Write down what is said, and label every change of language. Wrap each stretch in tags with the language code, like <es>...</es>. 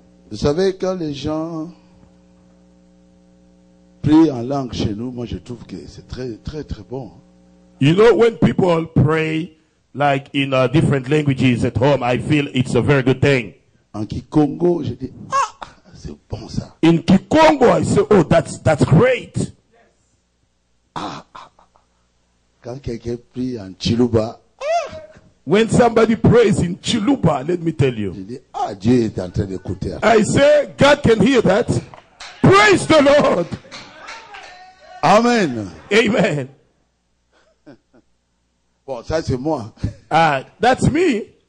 <fr>Vous savez, quand les gens prient en langue chez nous, moi je trouve que c'est très très très bon.</fr> <en>You know, when people pray like in different languages at home, I feel it's a very good thing.</en> <fr>En Kikongo, je dis, ah, c'est bon ça.</fr> <en>In Kikongo, I say, oh, that's great.</en> <fr>Ah, ah, quand quelqu'un prie en Chiluba, ah.</fr> <en>When somebody prays in Chiluba, let me tell you.</en> <fr>Je dis, ah, Dieu est en train d'écouter.</fr> <en>I say, God can hear that. Praise the Lord. Amen. Amen.</en> <fr>Bon, ça c'est moi.</fr> <en>That's me.</en>